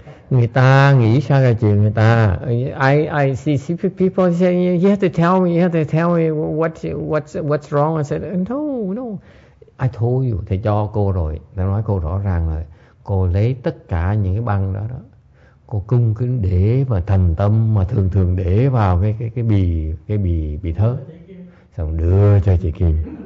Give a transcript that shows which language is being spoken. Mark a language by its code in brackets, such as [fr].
[vi] Người ta nghĩ sao ra chuyện người ta. [en] I see people saying you have to tell me what's wrong. I said no, I told you, [vi] thầy cho cô rồi, nó nói cô rõ ràng rồi. Cô lấy tất cả những cái băng đó, cô cung kính để và thành tâm mà thường thường để vào cái bì thớ, xong đưa cho chị Kim.